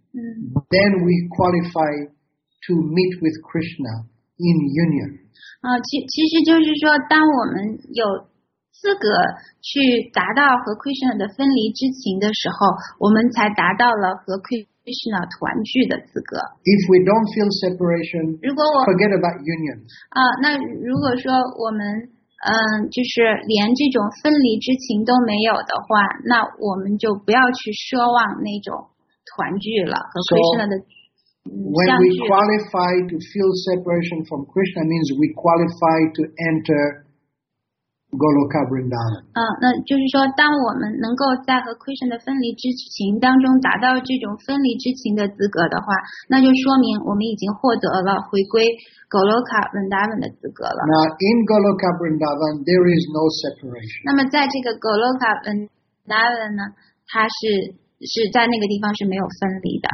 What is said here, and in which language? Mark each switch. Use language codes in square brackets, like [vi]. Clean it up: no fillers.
[en] Then we qualify to meet with Krishna in union. [zh] 其实就是说，当我们有资格去达到和 Krishna 的分离之情的时候，我们才达到了和 Krishna 团聚的资格。 [en] If we don't feel separation, forget about union. [zh] 那如果说我们就是连这种分离之情都没有的话，那我们就不要去奢望那种。团聚了和 Krishna 的相聚。 [en] So, when we qualify to feel separation from Krishna, means we qualify to enter Goloka Vrindavan. [zh] 那就是说，当我们能够在和 Krishna 的分离之情当中达到这种分离之情的资格的话，那就说明我们已经获得了回归 Goloka Vrindavan 的资格了。 [en] Now, in Goloka Vrindavan, there is no separation. [zh] 那么，在这个 Goloka Vrindavan 呢，它是。是在那个地方是没有分离的。